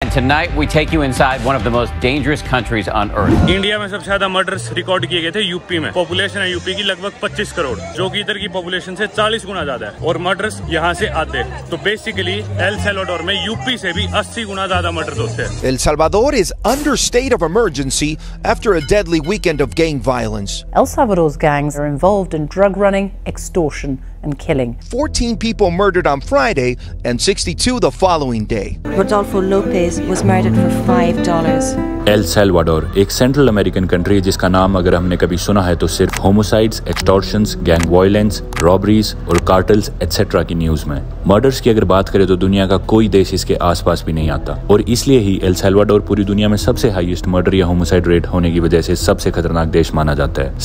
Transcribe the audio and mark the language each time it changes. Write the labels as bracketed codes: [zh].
[en] And tonight we take you inside one of the most dangerous countries on earth. [hi] India में सबसे ज्यादा murders record किए गए थे यूपी में. Population है यूपी की लगभग 25 करोड़, जो कि इधर की population से 40 गुना ज्यादा है. और murders यहाँ से आते. तो basically El Salvador में यूपी से भी 80 गुना ज्यादा murders होते हैं. [en] El Salvador is under state of emergency after a deadly weekend of gang violence. El Salvador's gangs are involved in drug running, extortion, and killing. 14 people murdered on Friday and 62 the following day. Rodolfo Lopez was murdered for $5. [hi] El Salvador, एक central American country है जिसका नाम अगर हमने कभी सुना है तो सिर्फ होमोसाइड्स, एक्सटॉर्शंस, गैंग वायलेंस, रॉबरीज और कार्टल्स एटसेट्रा की न्यूज में. मर्डर्स की अगर बात करें तो दुनिया का कोई देश इसके आसपास भी नहीं आता, और इसलिए ही एल सेल्वाडोर पूरी दुनिया में सबसे हाईएस्ट मर्डर या होमोसाइड रेट होने की वजह से सबसे खतरनाक देश माना जाता है.